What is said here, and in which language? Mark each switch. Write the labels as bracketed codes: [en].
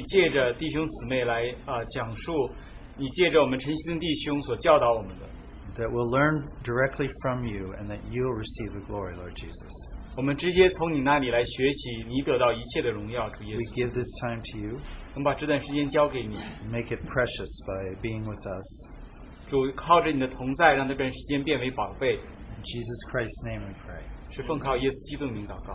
[zh] 我们想求你借着弟兄姊妹来, 讲述, 你借着我们陈锡登弟兄所教导我们的。 [en] That we'll learn directly from you and that you'll receive the glory, Lord Jesus. [zh] 我们直接从你那里来学习, 你得到一切的荣耀, [en] we give this time to you. [zh] 我们把这段时间交给你, [en] make it precious by being with us. [zh] 主靠着你的同在, [en] in Jesus Christ's name we pray. [zh] 是奉靠耶稣基督的名祷告。